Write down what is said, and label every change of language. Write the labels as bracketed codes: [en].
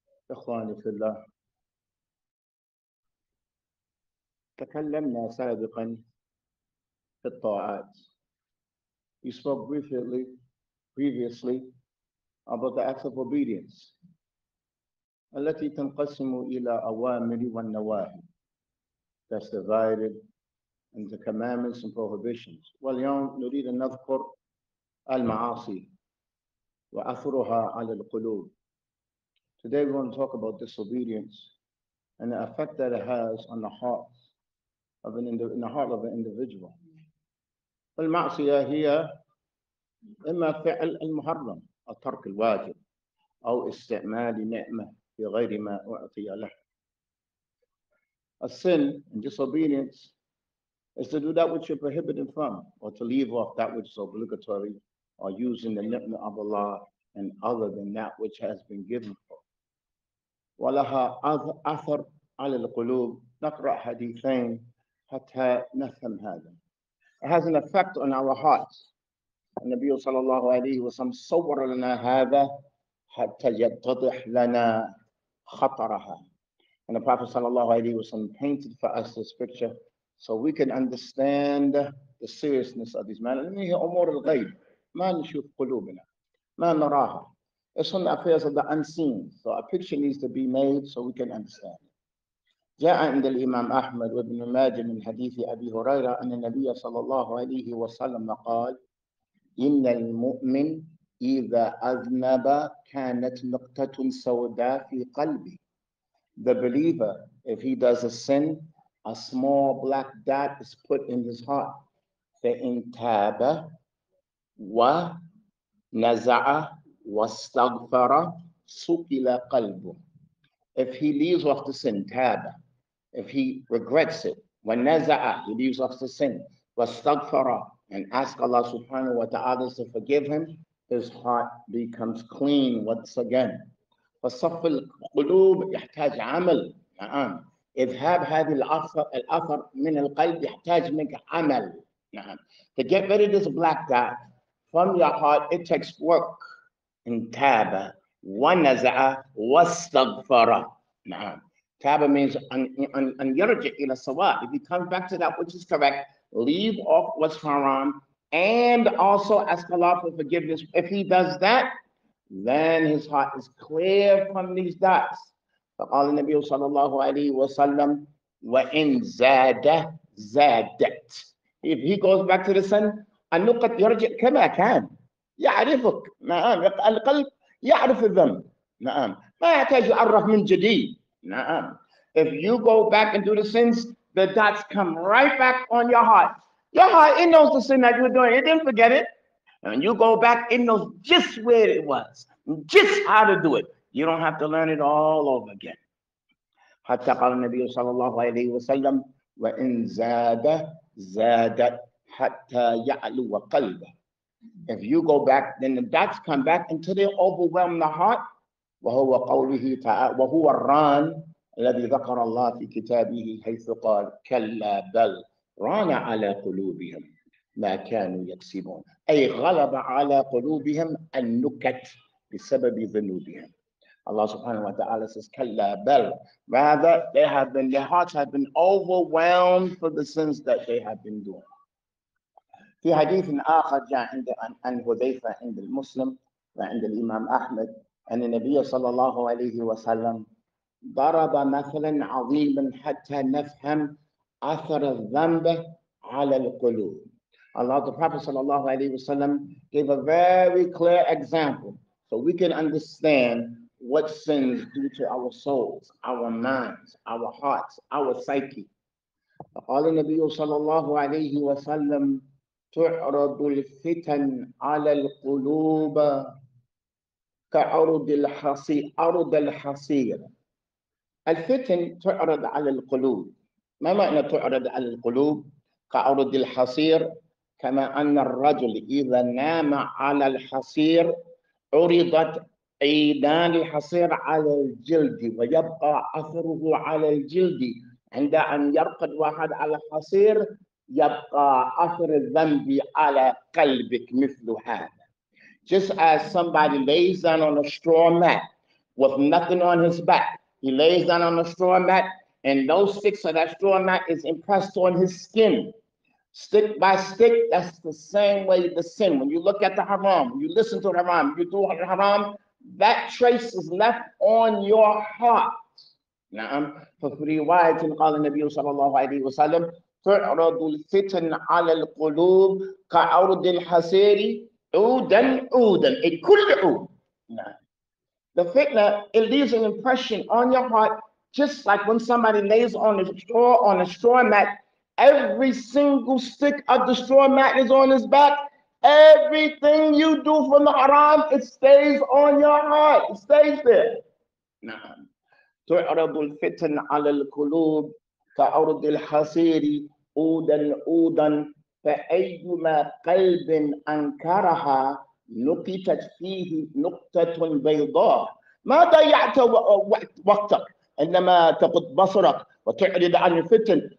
[ar] إخواني في الله، تكلمنا سابقا في الطاعات. [en] We spoke briefly previously about the acts of obedience [ar] التي تنقسم إلى أوامر والنواهي. [en] That's divided into commandments and prohibitions. [ar] واليوم نريد أن نذكر المعاصي وأثرها على القلوب. [en] Today we want to talk about disobedience and the effect that it has on the heart of an in the heart of an individual. [ar] المعصية هي إما فعل المحرم أو ترك الواجب أو استعمال نعمة في غير ما أعطي له. [en] A sin and disobedience is to do that which you're prohibited from or to leave off that which is obligatory or using the ni'mah of Allah and other than that which has been given for. [ar] ولها أثر على القلوب. نقرأ حديثين حتى نفهم هذا. [en] It has an effect on our hearts. [ar] النبي صلى الله عليه وسلم صور لنا هذا حتى يتضح لنا خطرها. [en] And the Prophet [ar] صلى الله عليه وسلم [en] painted for us this picture so we can understand the seriousness of these matters. [ar] هي أمور الغيب. ما نشوف قلوبنا ما نراها. [en] It's on the affairs of the unseen, so a picture needs to be made so we can understand. [ar] جاء عند الإمام أحمد وابن ماجه من حديث أبي هريرة أن النبي صلى الله عليه وسلم قال إن المؤمن إذا أذنب كانت نقطة سوداء في قلبي. [en] The believer, if he does a sin, a small black dot is put in his heart. [ar] فإن تاب ونزع واستغفر صقل قلبه. [en] If he leaves off the sin, تاب. If he regrets it, ونزع, he leaves off the sin, واستغفر, and ask Allah subhanahu wa ta'ala to forgive him, his heart becomes clean once again. [ar] فصف القلوب يحتاج عمل. نعم. اذهب هذه الاثر من القلب يحتاج منك عمل. نعم. [en] To get rid of this black dot from your heart, it takes work. [ar] In taba, ونزعه واستغفره. نعم. [en] Taba means [ar] أن يرجع إلى الصواب. [en] If you come back to that which is correct, leave off what's haram, and also ask Allah for forgiveness. If he does that, then his heart is clear from these dots. [ar] فقال النبي صلى الله عليه وسلم وإن زاد زادت. [en] If he goes back to the sin, [ar] النقط يرجع كما كان يعرفك. نعم. القلب يعرف الذنب. نعم. ما يحتاج يعرف من جديد. نعم. [en] If you go back and do the sins, the dots come right back on your heart. Your heart, it knows the sin that you were doing. It didn't forget it. And you go back, it knows just where it was, just how to do it. You don't have to learn it all over again. [ar] حتى قال النبي صلى الله عليه وسلم وإن زاد زادت حتى يعلو قلبه. [en] If you go back, then the dots come back until they overwhelm the heart. [ar] وهو قوله تعالى وهو الران الذي ذكر الله في كتابه حيث قال كلا بل ران على قلوبهم ما كانوا يكسبون. أي غلب على قلوبهم النكت بسبب ذنوبهم. [en] Allah subhanahu wa ta'ala says [ar] كلا بل. [en] Rather, their hearts have been overwhelmed for the sins that they have been doing. [ar] في حديث آخر جاء عند عن حذيفة عند المسلم وعند الإمام أحمد أن النبي صلى الله عليه وسلم ضرب مثلا عظيما حتى نفهم أثر الذنب على القلوب. [en] Allah, the Prophet [ar] صلى الله عليه وسلم [en] gave a very clear example so we can understand what sins do to our souls, our minds, our hearts, our psyche. [ar] قال النبي صلى الله عليه وسلم تعرض الفتن على القلوب كعرض الحصير أرض الحصير. الفتن تعرض على القلوب. ما معنى تعرض على القلوب؟ كعرض الحصير كما أن الرجل إذا نام على الحصير عرضت عيدان الحصير على الجلد ويبقى أثره على الجلد. عند أن يرقد واحد على الحصير يبقى أثر الذنب على قلبك مثل هذا. [en] Just as somebody lays down on a straw mat with nothing on his back, he lays down on a straw mat, and those sticks of that straw mat is impressed on his skin. Stick by stick, that's the same way the sin. When you look at the haram, you listen to the haram, you do the haram, that trace is left on your heart. [ar] نعم ففي رواية قال النبي صلى الله عليه وسلم تعرض الفتن على القلوب كعرض الحصير عودا عودا كل عود. [en] نعم the fitna, it leaves an impression on your heart just like when somebody lays on a straw mat. Every single stick of the straw mat is on his back. Everything you do from the haram, it stays on your heart. It stays there. نعم. [ar] تعرض الفتن على القلوب كعرض الحصير عودا عودا فأيما قلب أنكرها نقطت فيه نقطة بيضاء. ما ضيعت وقتك إنما تقض بصرك وتعرض عن الفتن.